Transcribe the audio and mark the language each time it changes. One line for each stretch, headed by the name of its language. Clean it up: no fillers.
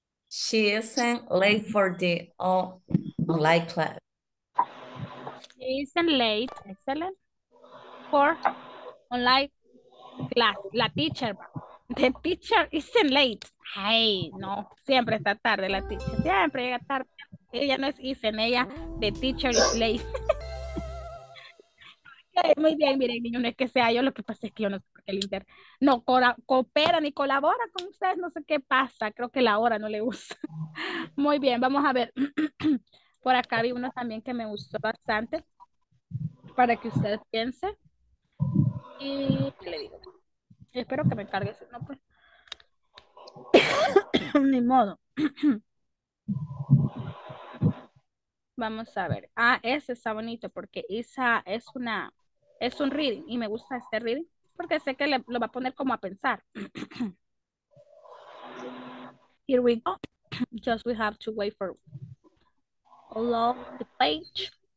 English: She isn't late for the online class. She isn't late, excellent, for online class. La teacher, the teacher isn't late.
Spanish: Ay, no, siempre está tarde la teacher, siempre llega tarde. Ella no es
English: isn't, ella, the teacher is late.
Spanish: Muy bien, miren, niño, no es que sea yo, lo que pasa es que yo no sé por qué el inter no coopera ni colabora con ustedes, no sé qué pasa, creo que la hora no le gusta. Muy bien, vamos a ver. Por acá vi uno también que me gustó bastante para que usted piense. Y ¿qué le digo? Espero que me cargue ese, no, pues. Ni modo. Vamos a ver. Ah, ese está bonito porque esa es una. Es un reading y me gusta este reading porque sé que lo va a poner como a pensar.
English: Here we go. Just we have to wait for along the page.